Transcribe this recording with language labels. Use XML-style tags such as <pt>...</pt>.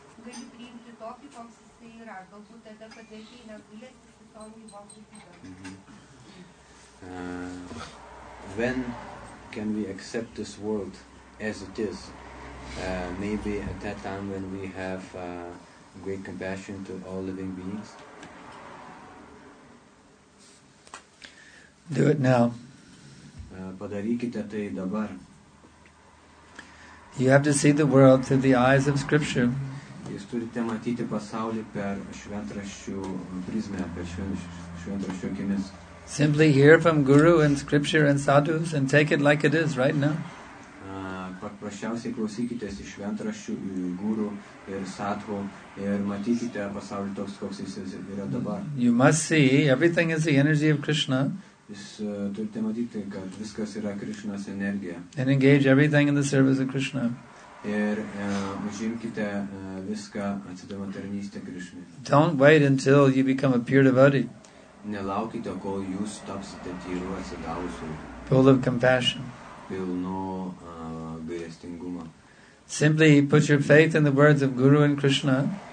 <lt>gali priimti tokį, koks jis tai yra, galbūt tada, kad vėkiai negulėsi su tom įvom būtybėm.</lt> <en>When can we accept this world as it is? Maybe at that time when we have great compassion to all living beings? Do it now.</en> <lt>Padarykite tai dabar.</lt> <en>You have to see the world through the eyes of Scripture.</en> <lt>Jūs turite matyti pasaulį per šventraščių prizmę, per šventraščių akimis.</lt> <en>Simply hear from Guru and Scripture and Sadhus and take it like it is right now.</en> <lt>Paprasčiausiai klausykitės iš šventraščių, Guru ir Sadhu ir matykite pasaulį toks, koks jis yra dabar.</lt> <en>You must see everything is the energy of Krishna.</en> <lt>Jūs turite matyti, kad viskas yra Krishnos energija.</lt> <en>And engage everything in the service of Krishna.</en> <lt>Ir užimkite viską atsidavant tarnystę Krishnai.</lt> <en>Don't wait until you become a pure devotee.</en> <lt>Nelaukite, kol jūs tapsite tyru atsidavusiu.</lt> <en>Full of compassion.</en> <lt>Pilno gailestingumo.</lt> <en>Simply put your faith in the words of Guru and Krishna.</en>